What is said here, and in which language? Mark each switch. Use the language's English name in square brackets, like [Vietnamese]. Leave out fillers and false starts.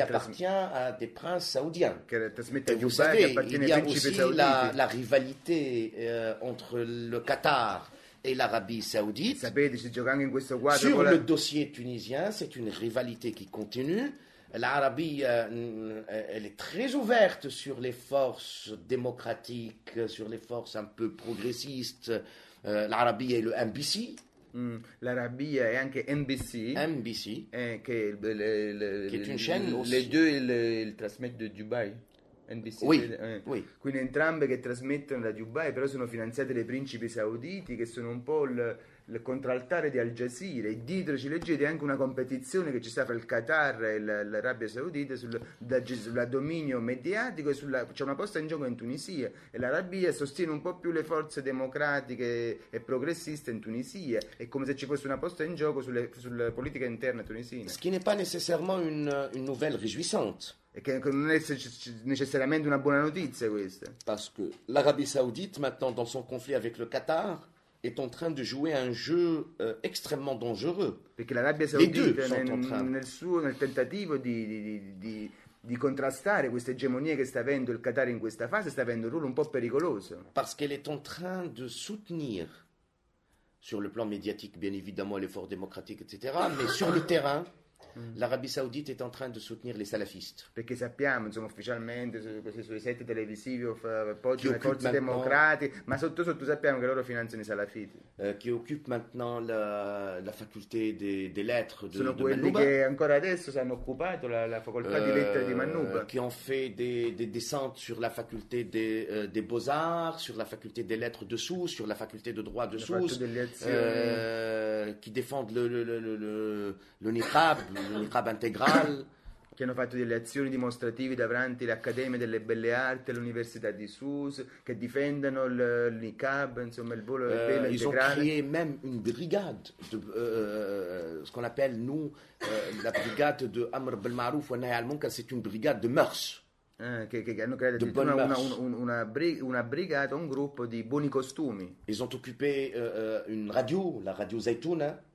[French] appartient à des princes saoudiens. [Italian] Che trasmette a Dubai, che appartiene ai principi sauditi. [French] Il y a aussi la rivalité entre le Qatar et l'Arabie saoudite. [Italian] Sapete, si gioca anche in questo quadro. [French] Sur le dossier tunisien, c'est une rivalité qui continue. L'Arabie, elle est très ouverte sur les forces démocratiques, sur les forces un peu progressistes. L'Arabie est le MBC. L'Arabie est anche NBC. NBC. Qui est une chaîne aussi. Les deux, ils transmettent de Dubaï. NBC, oui, oui. [Italian] Quindi entrambe che trasmettono da Dubai, però sono finanziate dai principi sauditi, che sono un po' il contraltare di Al Jazeera. E dietro ci leggete anche una competizione che ci sta fra il Qatar e l'Arabia Saudita sul dominio mediatico, e c'è una posta in gioco in Tunisia, e l'Arabia sostiene un po' più le forze democratiche e progressiste in Tunisia. È come se ci fosse una posta in gioco sulla politica interna tunisina, [French] ce qui n'est pas nécessairement une nouvelle réjouissante. [Italian] E che non è necessariamente una buona notizia questa, [French] parce que l'Arabie Saoudite maintenant dans son conflit avec le Qatar est en train de jouer un jeu extrêmement dangereux. [Italian] Perché l'Arabia Saudita nel tentativo di contrastare questa egemonia che sta avendo il Qatar in questa fase, sta avendo un ruolo un po' pericoloso. [French] Parce qu'elle est en train de soutenir sur le plan médiatique bien évidemment l'effort démocratique etc, mais sur le terrain l'Arabie Saoudite est en train de soutenir les salafistes. [Italian] Perché sappiamo, insomma, ufficialmente sui set televisivi appoggiano le forze democratiche, ma sotto sappiamo che loro finanziano i salafiti. [French] Qui occupe maintenant la faculté des lettres de [Italian] Manouba. Sono quelli che ancora adesso si hanno occupato la facoltà di lettere di Manouba. [French] Qui ont fait des descentes sur la faculté des beaux-arts, sur la faculté des lettres de Sousse, sur la faculté de droit de Sousse. Qui défendent le niqab. L'Iqab intégrale, [Italian] che hanno fatto delle azioni dimostrative davanti l'Accademia delle Belle Arti e l'Università di Sousse, che difendono l'Iqab, insomma il volo [French] intégrale. Ils ont créé même une brigade, ce qu'on appelle nous la brigade de Amr Belmarouf ou Nahy Al-Munkar, c'est une brigade de mœurs. [Italian] Che hanno creato una brigata, un gruppo di buoni costumi. [French] Ils ont occupé une radio, la radio Zaytouna.